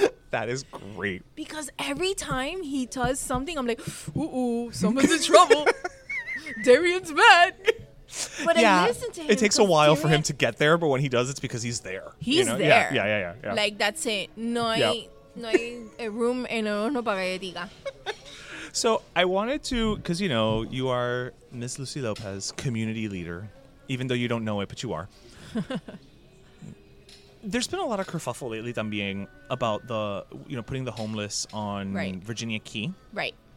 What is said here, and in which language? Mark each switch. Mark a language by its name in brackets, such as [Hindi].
[English] That is great. Because every time he does something, I'm like, ooh, someone's in trouble. Darian's mad. But yeah. I listen to him. It takes a while for him to get there, but when he does, it's because he's there. He's there. Yeah. Like, that's it. [Spanish] No hay room en el horno para que diga. [English] So I wanted to, because, you know, you are Miss Lucy Lopez, community leader, even though you don't know it, but you are. There's been a lot of kerfuffle lately, también, about the, you know, putting the homeless on Virginia Key. Right.